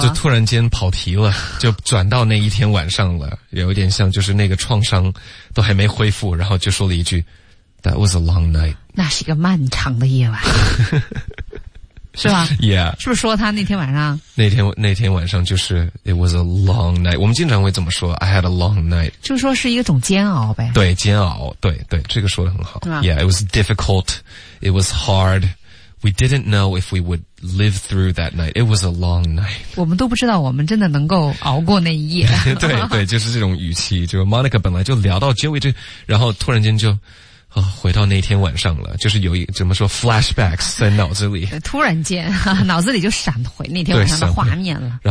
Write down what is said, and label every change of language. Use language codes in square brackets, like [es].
[zh] 就突然间跑题了，就转到那一天晚上了，有点像就是那个创伤都还没恢复，然后就说了一句 ， [en] That was a long night， [zh] 那是一个漫长的夜晚，是吧 [en] ？Yeah， [zh] 是不是说他那天晚上？那天晚上就是 [en] It was a long night， [zh] 我们经常会怎么说 ？ [en] I had a long night， [zh] 就说是一个种煎熬呗。对，煎熬，对对，这个说得很好。 [en] Yeah， it was difficult， it was hard， we didn't know if we would live through that night， it was a long night。 [zh] 我们都不知道我们真的能够熬过那一夜。对对，就是这种语气，就是 Monica 本来就聊到 Joey 这，然后突然间就。哦，回到那天晚上了，就是有一怎么说 flashbacks 在脑子里，突然间脑子里就闪回那天晚上的画面了。